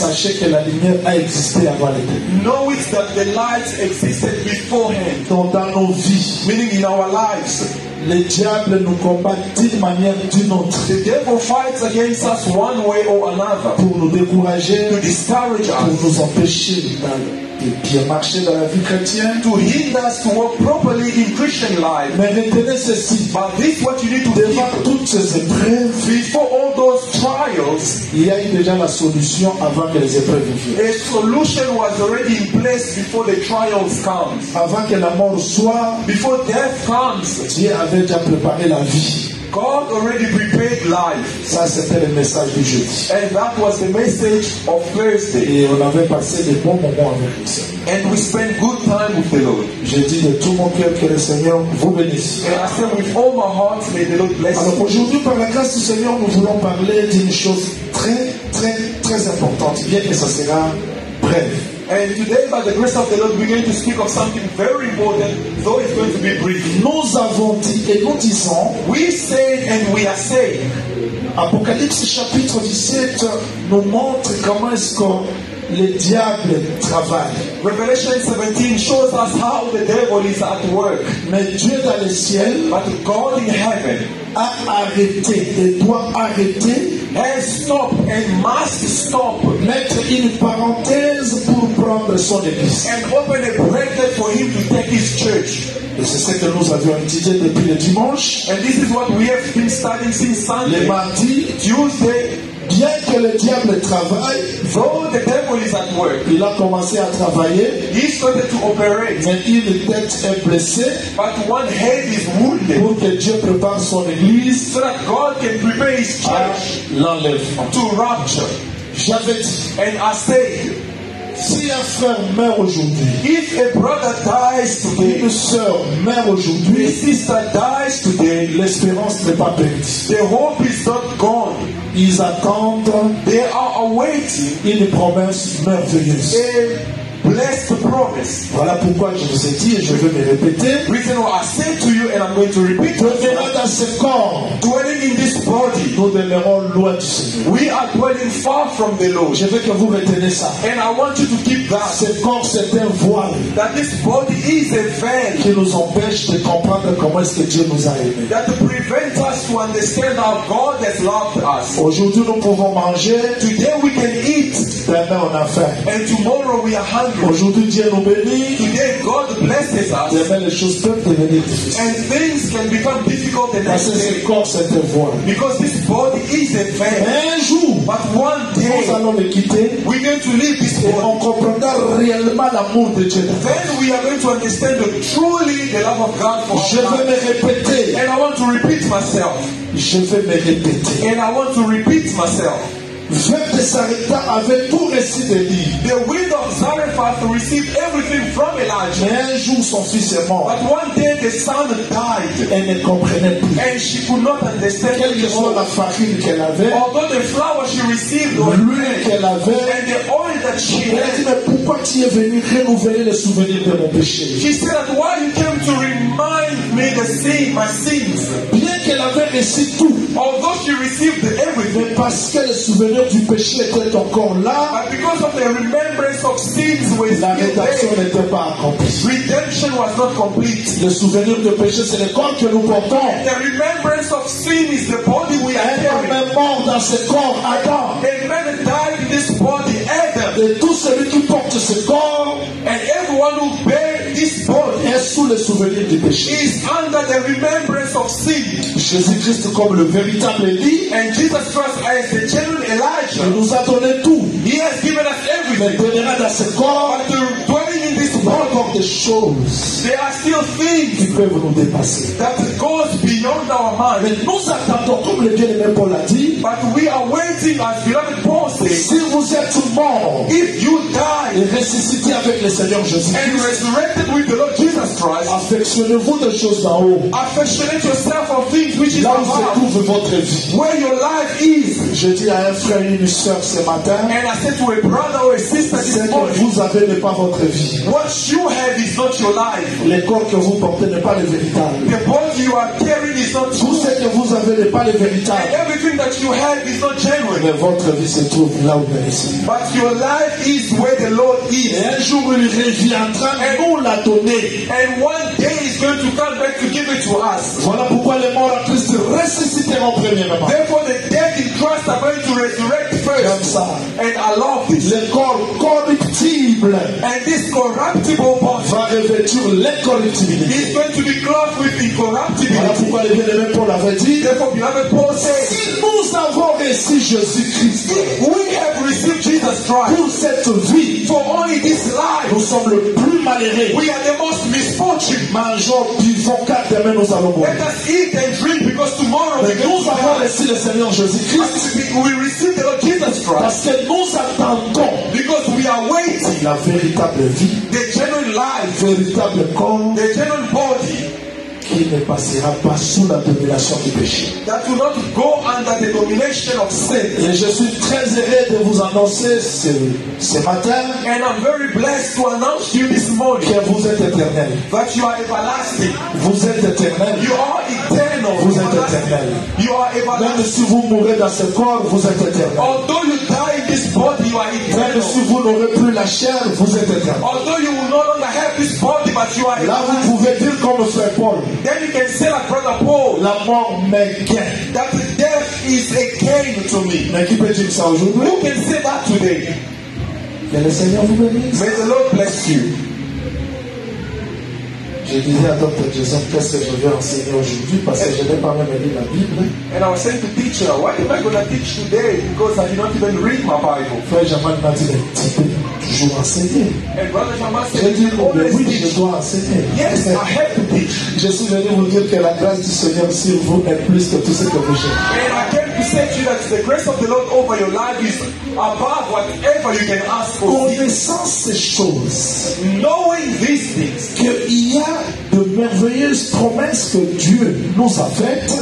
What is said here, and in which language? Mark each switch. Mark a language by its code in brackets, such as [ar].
[fr] sachez que la lumière a existé avant les ténèbres. [en] Know it that the light existed beforehand. [fr] Donc dans nos vies, [en] meaning in our lives, [fr] le diable nous combat d'une manière ou d'une autre. [en] The devil fights against us one way or another. [fr] Pour nous décourager, [en] to discourage us, [fr] pour nous empêcher de bien marcher dans la vie chrétienne, [en] to hinder us to walk properly in Christian life. [fr] Mais retenez ceci, [en] but this what you need to [fr] devant [en] keep, [fr] toutes ces épreuves, [en] before all those trials, [fr] il y a eu déjà la solution avant que les épreuves viennent. [en] A solution was already in place before the trials come. [fr] Avant que la mort soit, [en] before death comes, [fr] Dieu avait déjà préparé la vie. [en] God already prepared life. [fr] Ça, c'était le message du jeudi. [en] And that was the message of Thursday. [fr] Et on avait passé des bons moments avec le Seigneur. [en] And we spent good time with the Lord. [fr] Je dis de tout mon cœur que le Seigneur vous bénisse. [en] And I said with all my heart, may the Lord bless you. [fr] Alors aujourd'hui, par la grâce du Seigneur, nous voulons parler d'une chose très, très, très importante, bien que ça sera bref. [en] And today, by the grace of the Lord, we're going to speak of something very important, though it's going to be brief. [fr] Nous avons dit et nous disons, [en] we say and we are saying. [fr] Apocalypse chapitre 17 nous montre comment est-ce qu'on le diable travaille. [en] Revelation 17 shows us how the devil is at work. [fr] Mais Dieu dans le ciel, [en] but God in heaven, [fr] a arrêté et doit arrêter, [en] has stopped and must stop, [fr] mettre une parenthèse pour prendre son église, [en] and open a bracket for him to take his church. [fr] Et c'est ce que nous avions étudié depuis le dimanche. [en] And this is what we have been studying since Sunday. [fr] Le mardi, [en] Tuesday. [fr] Bien que le diable travaille, [en] the devil is at work. [fr] Il a commencé à travailler. [en] He started to operate. [fr] Mais une tête est blessée. [en] But one head is wounded. [fr] Pour que Dieu prépare son église, [en] so that God can prepare his church, [fr] l'enlèvement, [en] to rapture. [fr] J'avais dit, [en] and I say, [fr] si un frère meurt aujourd'hui, [en] if a brother dies today, [fr] une sœur meurt aujourd'hui, [en] a sister dies today, [fr] l'espérance n'est pas perdue. [en] The hope is not gone. [fr] Ils attendent, [en] they are awaiting, [fr] une promesse merveilleuse. [en] A blessed promise. [fr] Voilà pourquoi je vous ai dit et je veux me répéter. [en] Reason why I said to you and I'm going to repeat. [fr] Demeurons dans ce corps. [en] Dwelling in this body. [fr] Nous demeurons loin du Seigneur. [en] We are dwelling far from the Lord. [fr] Je veux que vous reteniez ça. [en] And I want you to keep that. [fr] Ce corps, c'est un voile. [en] That this body is a veil. [fr] Qui nous empêche de comprendre comment est-ce que Dieu nous a aimés. [en] That prevents us to understand how God has loved us. [fr] Aujourd'hui, nous pouvons manger. [en] Today we can eat. [fr] Demain, on a faim. [en] And tomorrow we are hungry. [fr] Aujourd'hui, Dieu nous bénit. [en] Today, God blesses us. [fr] Demain, les choses peuvent devenir difficiles. [en] And things can become difficult the next day. [fr] Parce que ce corps, c'est un voile. [en] Because this body is a veil. [fr] Un jour, [en] but one day, [fr] nous allons le quitter. [en] We're going to leave this body. [fr] Et on comprendra réellement l'amour de Dieu. [en] Then we are going to understand the, truly the love of God for us. [fr] Je veux me répéter. [en] And I want to repeat myself. [fr] Je veux me répéter. [en] And I want to repeat myself. [fr] Veuve de Sarepta avait tout reçu de lui. [en] The widow of Zarephath received everything from Elijah. [fr] Mais un jour son fils est mort. [en] But one day the son died. [fr] Elle ne comprenait plus. [en] And she could not understand. [fr] Quelle que soit la farine qu'elle avait. [en] Although the flour she received. [fr] L'huile qu'elle avait. [en] And the oil that she had. [fr] Elle dit, mais pourquoi tu es venu renouveler les souvenirs de mon péché? [en] She said that why you came to remind me the sin, my sins. [fr] Bien qu'elle avait reçu tout. [en] Although she received everything. [fr] Mais parce que les souvenirs du péché était encore là. [en] But because of the remembrance of sins, [fr] la rédemption n'était pas accomplie. [en] Redemption was not complete. [fr] Le souvenir du péché, c'est le corps que nous portons. [en] The remembrance of sin is the body we are carrying. [fr] Un mort dans ce corps, Adam. [en] A man died in this body, Adam. [fr] Et tout celui qui porte ce corps, [en] and everyone who bears this body, [fr] est sous le souvenir du péché. [en] Is under the remembrance of sin. [fr] Jésus-Christ comme le véritable dit, [en] and Jesus Christ as the genuine. Elijah, [fr] il nous a donné tout. [en] He has given us everything. [fr] Mais dans ce corps, [en] but dwelling in this world, of the shows, there are still things [fr] qui peuvent nous dépasser. [en] That goes beyond our mind. [fr] Mais nous attendons, comme le bien-aimé Paul a dit, [en] but we are waiting as beloved Paul says, [fr] si vous êtes mort, [en] if you die, [fr] et ressuscité avec le Seigneur Jésus, [en] and resurrected with the Lord Jesus Christ, [fr] affectionnez-vous des choses d'en haut. [en] Affectionnez yourself of things which is above. [fr] Là où se trouve votre vie. [en] Where your life is. [fr] Je dis à un frère et une soeur ce matin, [en] and I said to a brother or a sister this morning, [fr] vous avez n'est pas votre vie. [en] What you have is not your life. [fr] Le corps que vous portez n'est pas le véritable. [en] The body you are carrying is not true. [fr] Tout ce que vous avez n'est pas le véritable. [en] And everything that you have is not genuine. [fr] Mais votre vie se trouve là où elle est. [en] But your life is where the Lord is. [fr] Et un jour il reviendra et nous l'a donné. [en] And one day he's going to come back to give it to us. [fr] Voilà pourquoi les morts en Christ ressusciteront premièrement. [en] Therefore the dead in Christ are going to resurrect first. And I love this. [fr] Le corps corruptible. [en] And this corruptible body [fr] va revêtir l'incorruptibilité. [en] He's going to be clothed with incorruptibility. [fr] Voilà pourquoi le bien-aimé Paul avait dit. [en] Therefore, beloved Paul says, [fr] si nous avons reçu Jésus Christ, [en] we have received Jesus Christ [fr] pour cette vie, [en] for only this life, [fr] nous sommes le plus malheureux. [en] We are the most misfortunate. [fr] Mangeons, vivons, car demain nous allons mourir. [en] Let us eat and drink because tomorrow we will die. [fr] Nous avons reçu le Seigneur Jésus Christ. [en] We receive the Lord Jesus Christ. [fr] Parce que nous attendons. [en] Because we are waiting. [fr] La véritable vie. [en] The genuine life. [fr] Véritable corps. [en] The genuine body. [fr] Qui ne passera pas sous la domination du péché. [en] That will not go under the domination of sin. [fr] Et je suis très heureux de vous annoncer ce matin. [en] And I'm very blessed to announce you this morning. [fr] Que vous êtes éternel. [en] That you are everlasting. [fr] Vous êtes éternel. [en] You are eternal. [fr] vous êtes éternel. [en] You are everlasting. [fr] Même si vous mourrez dans ce corps, vous êtes éternel. [en] Although you die in this body, you are eternal. [fr] Même si vous n'aurez plus la chair, vous êtes éternel. [en] Although you will no longer have this body, but you are [fr] eternal. Là, vous pouvez dire comme Saint Paul. [en] Then you can say like Brother Paul. [fr] La mort me gagne. [en] That death is a gain to me. [fr] Mais qui peut dire ça aujourd'hui? [en] Who can say that today? [fr] Que le Seigneur vous bénisse. [en] May the Lord bless you. [fr] Je disais à Dr. Joseph, qu'est-ce que je vais enseigner aujourd'hui parce que je n'ai pas même lu la Bible. [en] And I was saying to teacher, what am I going to teach today? Because I did not even read my Bible. [fr] Frère Jamal m'a dit, toujours enseigner. [en] And Brother Jamal said, [fr] je dis, oui, je dois enseigner. [en] Yes, I have to teach. [fr] Je suis venu vous dire que la grâce du Seigneur sur vous est plus que tout ce que vous j'ai. [en] And I came to say to you that the grace of the Lord over your life is above whatever you can ask for. [fr] Connaissant ces choses, [en] knowing these things, [fr] qu'il y a de merveilleuses promesses que Dieu nous a faites,